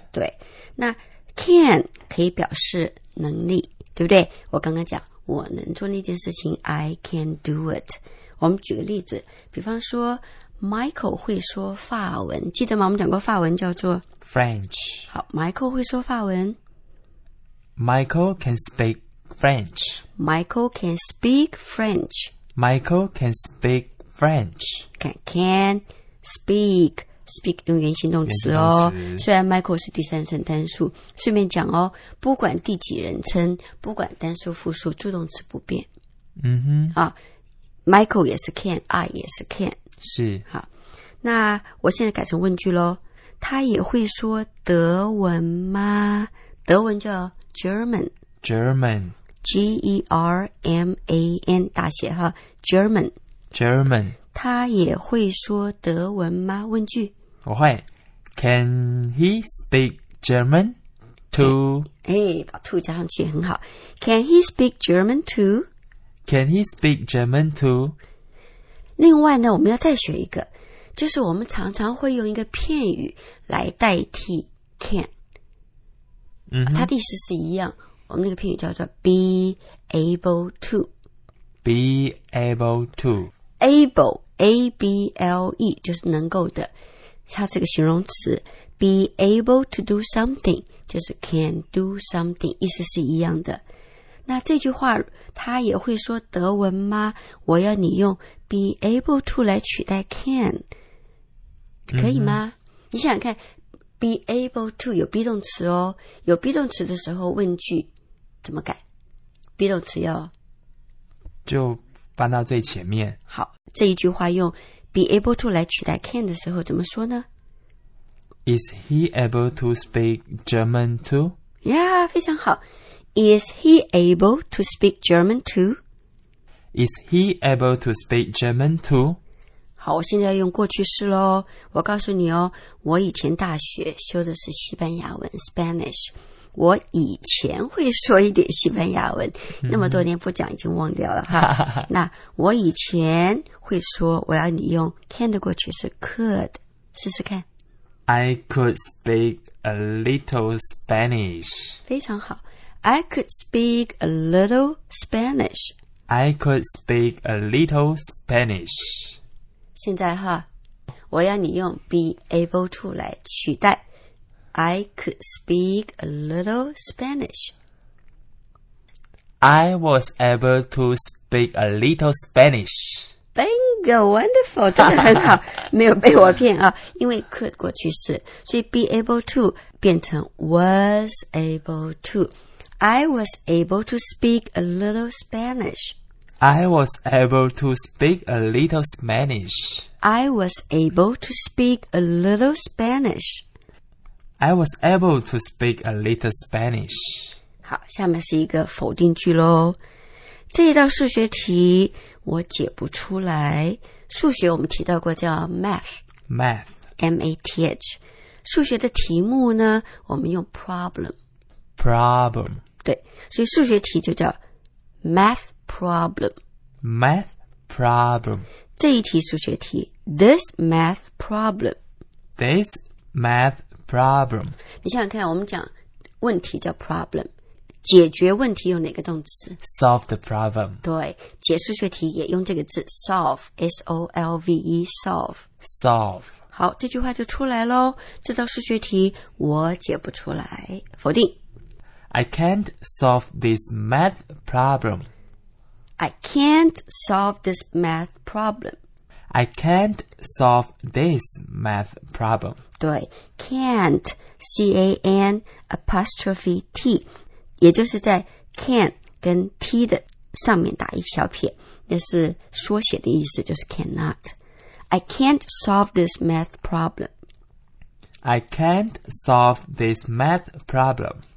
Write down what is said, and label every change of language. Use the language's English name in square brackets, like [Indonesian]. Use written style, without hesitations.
[Chinese] 对，那 can 可以表示能力，对不对？我刚刚讲我能做那件事情， [English] I can do it。 [Chinese] 我们举个例子，比方说 Michael 会说法文，记得吗？我们讲过法文叫做 [English] French。 [Chinese] 好， Michael 会说法文， [English] Michael can speak French， Michael can speak French， Michael can speak French， [Chinese] can speak， speak 用原形动词哦，动词虽然 Michael 是第三人单数。顺便讲哦，不管第几人称，不管单数复数，助动词不变。嗯哼。好，Michael 也是 can， I 也是 can，是。好，那我现在改成问句咯，他也会说德文吗？德文叫 German， German， G-E-R-M-A-N 大写哈， German， German。他也会说德文吗？问句。 [English] 我会。Can he speak German too？ [Chinese] 哎，把 to 加上去，很好。 [English] Can he speak German too Can he speak German too? [Chinese] 另外呢，我们要再学一个，就是我们常常会用一个片语来代替 can。嗯，它的意思是一样。我们那个片语叫做 be able to。 [English] Be able to。 [Chinese] Able, A-B-L-E, 就是能够的。它是个形容词。 [English] Be able to do something, 就是 can do something, [Chinese] 意思是一样的。那这句话他也会说德文吗？我要你用 be able to 来取代 can， 可以吗？嗯，你想看 be able to 有 be 动词哦，有 be 动词的时候问句怎么改？ be 动词要就搬到最前面。好，这一句话用 be able to 来取代 can 的时候怎么说呢？ [English] Is he able to speak German too? [Chinese] Yeah, 非常好。 [English] Is he able to speak German too? Is he able to speak German too? [Chinese] 好，我现在要用过去式咯。我告诉你哦，我以前大学修的是西班牙文 Spanish，我以前会说一点西班牙文，那么多年不讲已经忘掉了。那我以前会说，我要你用 can 的过去式 could 试试看。 [English] I could speak a little Spanish. [Chinese] 非常好。 [English] I could speak a little Spanish. I could speak a little Spanish. [Chinese] 现在哈，我要你用 be able to 来取代。 [English] I could speak a little Spanish. I was able to speak a little Spanish. [Chinese] Bingo, wonderful, 真的很好，没有被我骗啊，因为 could 过去式，所以 be able to 变成 was able to. [English] I was able to speak a little Spanish. I was able to speak a little Spanish. I was able to speak a little Spanish. I was able to speak a little Spanish. [Chinese] 好，下面是一个否定句咯。这一道数学题我解不出来。数学我们提到过叫 math。 [English] math。 math。 [Chinese] 数学的题目呢我们用 problem。 [English] problem。 [Chinese] 对。所以数学题就叫 math problem。 [English] math problem。 [Chinese] 这一题数学题 this math problem。 [English] this math problem. Problem. [Chinese] 你想想看，我们讲问题叫 problem， 解决问题用哪个动词 [English] ？Solve the problem。 [Chinese] 对，解数学题也用这个字 solve， S O L V E， solve。 [English] solve。 [Chinese] 好，这句话就出来喽。这道数学题我解不出来，否定。 [English] I can't solve this math problem. I can't solve this math problem. I can't solve this math problem. [Chinese] 对 can't C-A-N apostrophe T 也就是在 can 跟 T 的上面打一小撇，那是缩写的意思，就是 cannot。 [English] I can't solve this math problem. I can't solve this math problem.